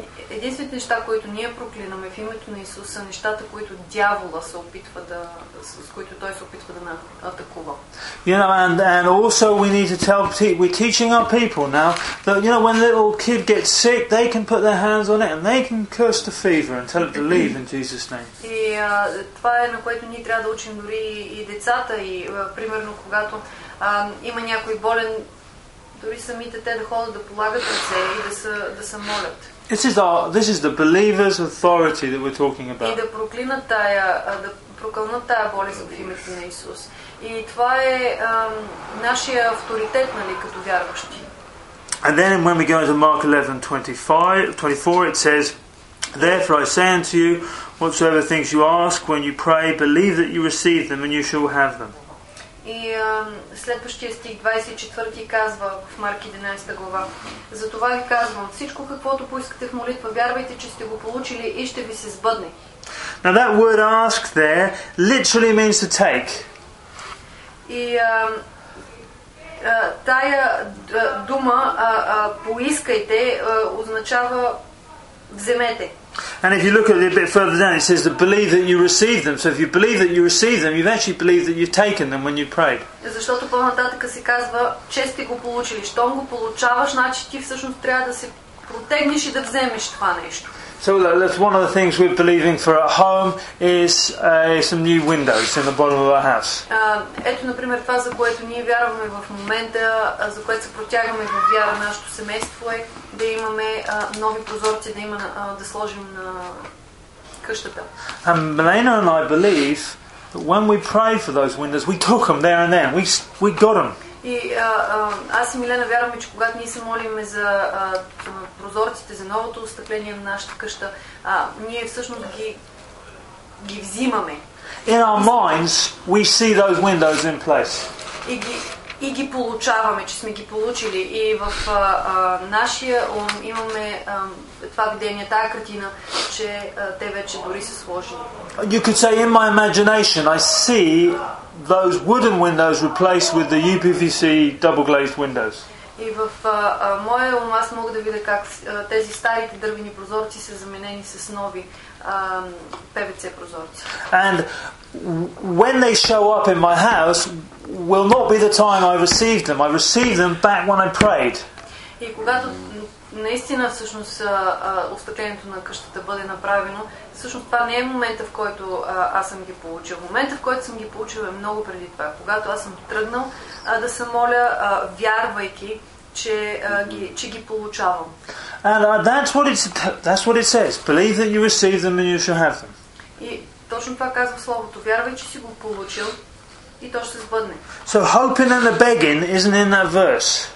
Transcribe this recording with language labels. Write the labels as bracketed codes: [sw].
[bg] Единствените неща, които ние проклинаме в името на Исус, са нещата, които дявола се опитва с които той се опитва да атакува. [en] You know, and also we need to tell we're teaching our people now that, you know, when a little kid gets sick, they can put their hands on it and they can curse the fever and tell it to leave in Jesus' name. [bg] И това е на което ние трябва да учим дори и децата, и примерно когато има някой болен, дори самите те да ходят да полагат ръце и да се молят. [en] This is the believer's authority that we're talking about. [bg] И да прокълнат тая болест в името на Исус. И това е нашия авторитет, нали, като вярващи. [en] And then when we go into Mark 11:24, it says, therefore I say unto you, whatsoever things you ask when you pray, believe that you receive them and you shall have them. [bg] И следващия стих, 24-ти, казва в Марк 11 глава. Затова ви казвам, всичко каквото поискате в молитва, вярвайте, че сте го получили и ще ви се сбъдне. [en] Now that word ask there literally means to take. [bg] И тая дума поискайте означава вземете. [en] And if you look at it a bit further down, it says to believe that you receive them. So if you believe that you receive them, you've actually believed that you've taken them when you prayed. [bg] Защото по-нататък се казва, че сте го получили. Щом го получаваш, значи ти всъщност трябва да се протегнеш и да вземеш това нещо. [en] So that's one of the things we're believing for at home is some new windows in the bottom of our house. [bg] Ето, например, това, за което ние вярваме в момента, за което се протягаме в вяра нашето семейство е да имаме нови прозорци да има да сложим на къщата. [en] And Milena and I believe that when we pray for those windows, we took them there and then. We got them. [bg] И аз и Милена вярваме, че когато ние се молиме за прозорците, за новото остъкление на нашата къща, ние всъщност ги взимаме. [en] In our minds, we see those windows in place. [bg] И ги получаваме, че сме ги получили. И в нашия ум имаме това видение, тая картина, че те вече дори са сложени. [en] You could say, in my imagination, I see those wooden windows replaced with the UPVC double glazed windows. [bg] И в моя ум аз мога да видя как тези старите дървени прозорци са заменени с нови PVC прозорци. [en] And when they show up in my house will not be the time I received them. I received them back when I prayed. [bg] И когато наистина всъщност остъклението на къщата бъде направено, всъщност това не е момента, в който аз съм ги получил. Момента, в който съм ги получил е много преди това. Когато аз съм тръгнал да се моля, вярвайки, че ги получавам. [en] And that's what it says. Believe that you receive them and you shall have them. [bg] И точно това казва словото. Вярвай, че си го получил и то ще се сбъдне. [en] So hoping and a begging isn't in that verse.